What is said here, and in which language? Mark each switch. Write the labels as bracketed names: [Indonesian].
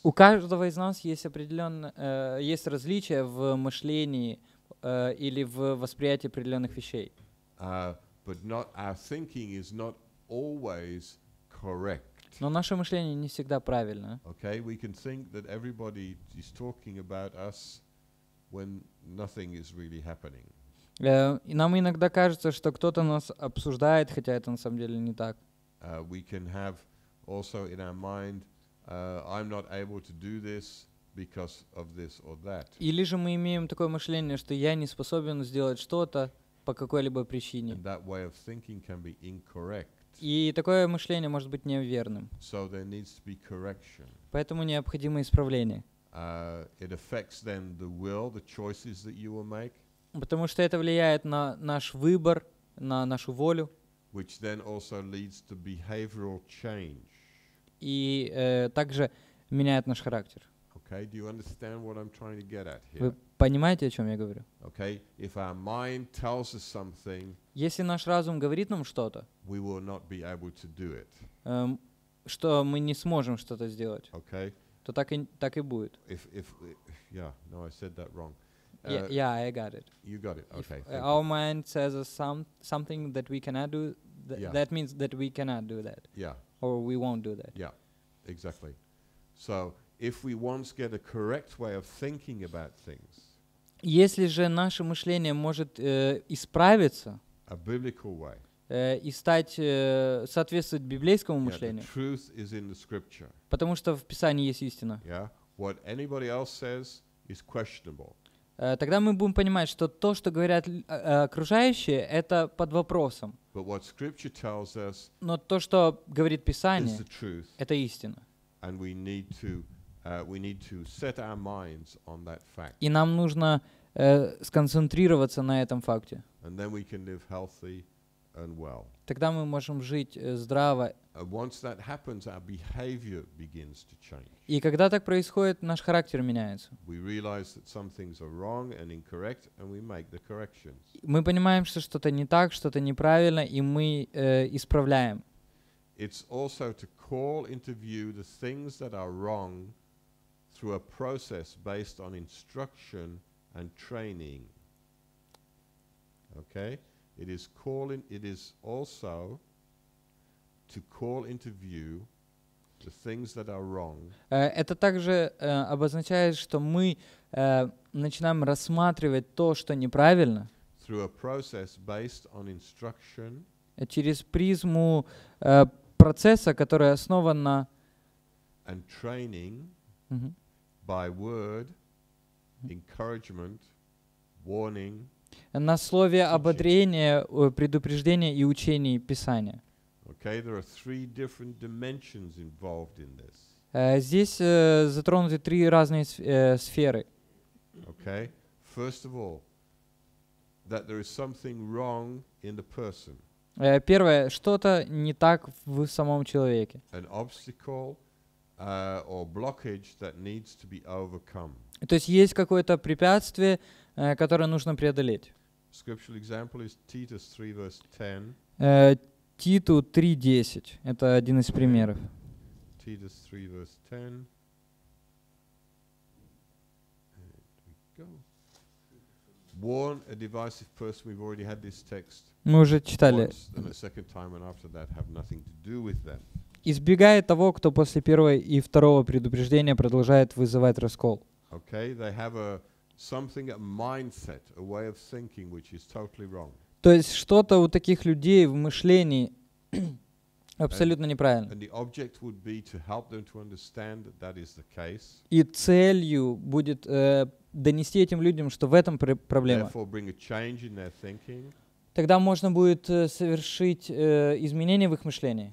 [Russian] У каждого из нас есть есть различия в мышлении или в восприятии определенных вещей. [English] But not our thinking is not always correct. [Russian] Но наше мышление не всегда правильно. [English] Okay, we can think that everybody is talking about us when nothing is really happening. [Russian] И нам иногда кажется, что кто-то нас обсуждает, хотя это на самом деле не так. [English] We can have also in our mind, I'm not able to do this because of this or that. [Russian] Или же мы имеем такое мышление, что я не способен сделать что-то по какой-либо причине. [English] And that way of thinking can be incorrect. [Russian] И такое мышление может быть неверным. [English] So there needs to be correction. [Russian] Поэтому необходимо исправление. [English] It affects then the will, the choices that you will make. [Russian] Потому что это влияет на наш выбор, на нашу волю. [English] Which then also leads to behavioral change. [Russian] И также меняет наш характер. [English] Okay, do you understand what I'm trying to get at here? [Russian] Вы понимаете, о чем я говорю? [English] Okay, if our mind tells us something, [Russian] если наш разум говорит нам что-то, [English] we will not be able to do it. [Russian] Что мы не сможем что-то сделать, [English] okay. [Russian] То так и будет. [English] If, yeah, no, I said that wrong. Yeah, I got it. You got it. Okay. If our mind says something that we cannot do, that means that we cannot do that. Yeah. Or we won't do that. Yeah, exactly. So if we once get a correct way of thinking about things, [Russian] если же наше мышление может исправиться, [English] a biblical way, [Russian] и стать соответствовать библейскому мышлению, [English] the truth is in the scripture. [Russian] Потому что в Писании есть истина. [English] Yeah. What anybody else says is questionable. [Russian] Тогда мы будем понимать, что то, что говорят окружающие, это под вопросом. [English] But what scripture tells us, [Russian] но то, что говорит Писание, [English] is the truth, [Russian] это истина. [English] And we need to set our minds on that fact. [Russian] И нам нужно сконцентрироваться на этом факте. [English] And then we can live healthy and well. [Russian] Тогда мы можем жить здраво. [English] Once that happens, our behavior begins to change. [Russian] И когда так происходит, наш характер меняется. [English] We realize that some things are wrong and incorrect, and we make the corrections. [Russian] Мы понимаем, что что-то не так, что-то неправильно, и мы исправляем. [English] It's also to call into view the things that are wrong through a process based on instruction and training. Okay? It is also to call into view the things that are wrong. [Russian] Это также обозначает, что мы начинаем рассматривать то, что неправильно. [English] Through a process based on instruction. [Russian] Через призму процесса, который основан на. [English] And training by word, encouragement, warning. [Russian] На слове ободрения, предупреждения и учений Писания. [English] Okay, there are three different dimensions involved in this. [Russian] Здесь затронуты три разные сферы. [English] Okay. First of all, that there is something wrong in the person. [Russian] Первое, что-то не так в самом человеке. [English] An obstacle or blockage that needs to be overcome. [Russian] То есть есть какое-то препятствие, которое нужно преодолеть. [English] Scriptural example is Titus 3 verse 10. [Russian] Титу 3:10. Это один из примеров. [English] Titus 3 verse 10. There we go. Warn a divisive person. We've already had this text. [Russian] Мы уже читали. [English] Once, then a second time and after that have nothing to do with them. [Russian] Избегает того, кто после первого и второго предупреждения продолжает вызывать раскол. [English] Okay, they have something, a mindset, a way of thinking, which is totally wrong. [Russian] То есть что-то у таких людей в мышлении абсолютно неправильно. [English] And the object would be to help them to understand that that is the case. [Russian] И целью будет донести этим людям, что в этом проблема. [English] Therefore, bring a change in their thinking. [Russian] Тогда можно будет совершить изменения в их мышлении.